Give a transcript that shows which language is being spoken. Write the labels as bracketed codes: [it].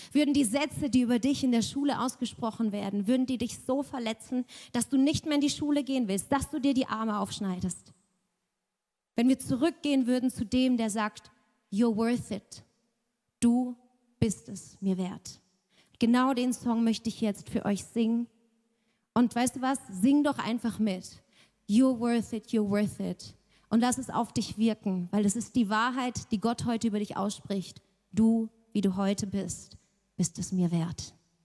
[de] Würden die Sätze, die über dich in der Schule ausgesprochen werden, würden die dich so verletzen, dass du nicht mehr in die Schule gehen willst, dass du dir die Arme aufschneidest? Wenn wir zurückgehen würden zu dem, der sagt, [en] you're worth it. [de] Du bist es mir wert. Genau den Song möchte ich jetzt für euch singen. Und weißt du was? Sing doch einfach mit. [en] You're worth it, you're worth it. [de] Und lass es auf dich wirken, weil es ist die Wahrheit, die Gott heute über dich ausspricht. Du, wie du heute bist, bist es mir wert.